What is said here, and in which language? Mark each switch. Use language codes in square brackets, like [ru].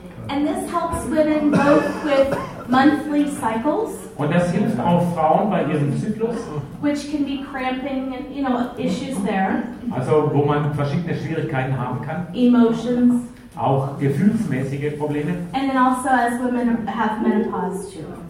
[en] And this helps women both with monthly cycles. [de] Und das hilft auch Frauen bei ihrem Zyklus. [en] Which can be cramping and, you know, issues there. [de] Also wo man verschiedene Schwierigkeiten haben kann. [en] Emotions. [de] Auch gefühlsmäßige Probleme. [en] And then also as women have menopause too.